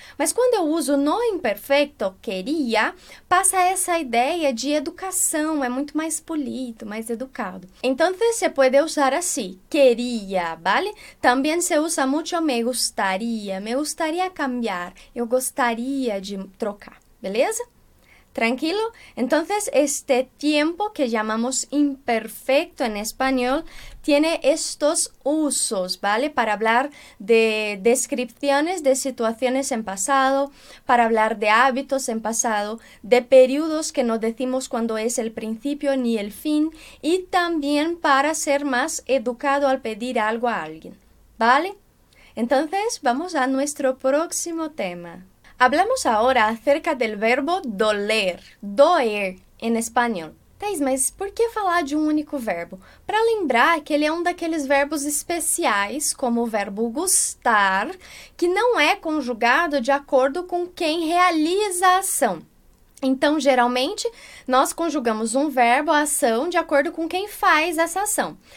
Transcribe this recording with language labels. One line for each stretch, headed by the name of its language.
Portuguese: Mas quando eu uso no imperfeito, queria, passa essa ideia de educação, é muito mais polido, mais educado. Então, você pode usar assim, queria, vale? Também se usa muito
Spanish: me gustaría cambiar,
Portuguese: eu gostaria de trocar, beleza? Tranquilo?
Spanish: Entonces, este tiempo que llamamos imperfecto en español tiene estos usos, ¿vale? Para hablar de descripciones de situaciones en pasado, para hablar de hábitos en pasado, de periodos que no decimos cuando es el principio ni el fin, y también para ser más educado al pedir algo a alguien, ¿vale? Entonces, vamos a nuestro próximo tema. Hablamos ahora acerca del verbo doler, doer, en español.
Portuguese: Thais, mas por que falar de um único verbo? Para lembrar que ele é um daqueles verbos especiais, como o verbo gustar, que não é conjugado de acordo com quem realiza a ação. Então, geralmente, nós conjugamos um verbo, a ação, de acordo com quem faz essa ação.